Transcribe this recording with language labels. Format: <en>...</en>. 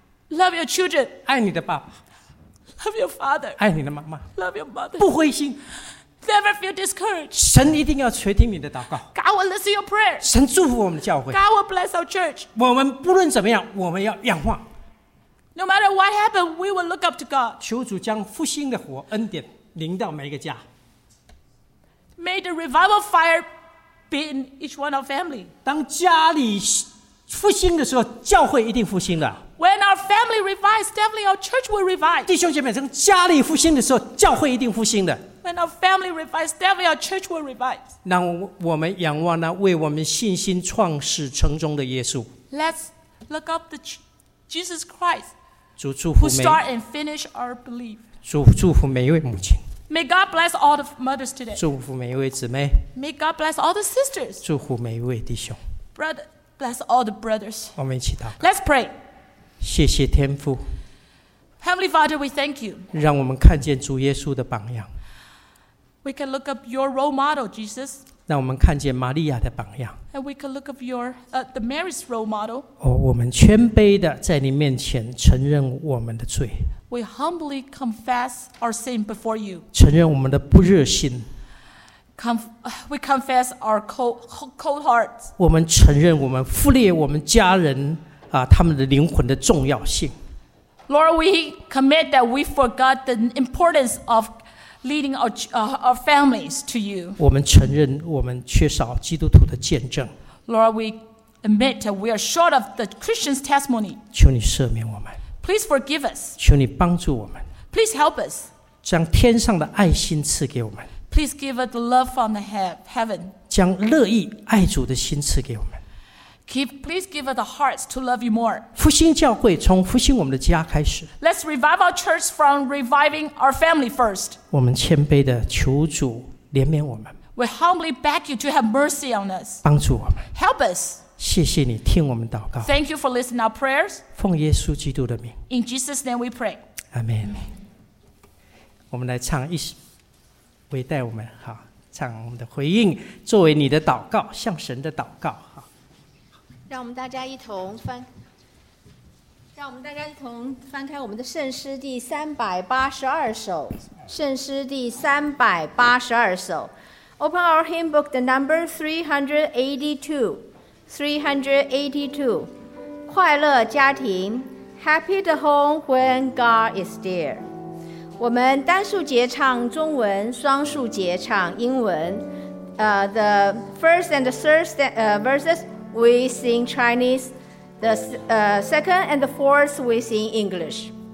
<en>Love your children.</en> <zh>爱你的爸爸。</zh> <en>Love your father.</en> <zh>爱你的妈妈。</zh> <en>Love your mother.</en> <zh>不灰心。</zh> <en>Never feel discouraged.</en> <zh>神一定要垂听你的祷告。</zh> <en>God will listen your prayer.</en> <zh>神祝福我们的教会。</zh> <en>God will bless our church.</en> <zh>我们不论怎么样，我们要仰望。</zh> <en>No matter what happened, we will look up to God.</en> <zh>求主将复兴的火恩典临到每一个家。</zh> <en>May the revival fire be in each one of our family.</en> <zh>当家里复兴的时候，教会一定复兴的。</zh> <en>When our family revives, definitely our church will revive.</en> <zh>弟兄姐妹，从家里复兴的时候，教会一定复兴的。</zh> <en>When our family revives, definitely our church will revive.</en> <zh>让我们仰望那为我们信心创始成终的耶稣。</zh> <en>Let's look up to Jesus Christ.</en> <zh>主祝福每。</zh> <en>Who start and finish our belief.</en> <zh>主祝福每一位母亲。</zh> <en>May God bless all the mothers today.</en> <zh>祝福每一位姊妹。</zh> <en>May God bless all the sisters.</en> <zh>祝福每一位弟兄。</zh> <en>Brother. Bless all the brothers.</en> <zh>我们一起祷告。</zh> <en>Let's pray.</en> <zh>谢谢天父。</zh> <en>Heavenly Father, we thank you.</en> <zh>让我们看见主耶稣的榜样。</zh> <en>We can look up your role model, Jesus.</en> <zh>让我们看见玛利亚的榜样。</zh> <en>And we can look up the Mary's role model.</en> <zh>我们谦卑的在你面前承认我们的罪。</zh> <en>We humbly confess our sin before you.</en> <zh>承认我们的不热心。</zh> <en>We confess our cold hearts.</en> <zh>我们承认我们忽略我们家人他们的灵魂的重要性。</zh> <en>Lord, we commit that we forgot the importance of leading our families to you.</en> <zh>我们承认我们缺少基督徒的见证。</zh> <en>Lord, we admit that we are short of the Christian's testimony.</en> <zh>求你赦免我们。</zh> <en>Please forgive us.</en> <zh>求你帮助我们。</zh> <en>Please help us.</en> <zh>将天上的爱心赐给我们。</zh> <en>Please give us the love from the heaven.</en> <zh>将乐意爱主的心赐给我们。</zh> <en>Please give us the hearts to love you more.</en> <zh>复兴教会从复兴我们的家开始。</zh> <en>Let's revive our church from reviving our family first.</en> <zh>我们谦卑的求主怜悯我们。</zh> <en>We humbly beg you to have mercy on us.</en> <zh>帮助我们。</zh> <en>Help us.</en> <zh>谢谢你听我们祷告。</zh> <en>Thank you for listening our prayers.</en> <zh>奉耶稣基督的名。</zh> <en>In Jesus' name we pray.</en> <zh>Amen. 我们来唱一首。会带我们好唱我们的回应，作为你的祷告，向神的祷告。好，让我们大家一同翻开我们的圣诗第382首。圣诗第382首</zh> <en>，Open our hymn book the number 382.</en> <zh>快乐家庭</zh> <en>，Happy the home when God is there。</en> <zh>我们单数节唱中文，双数节唱英文。</zh> <en>The first and the third verses we sing Chinese. The second and the fourth we sing English.</en>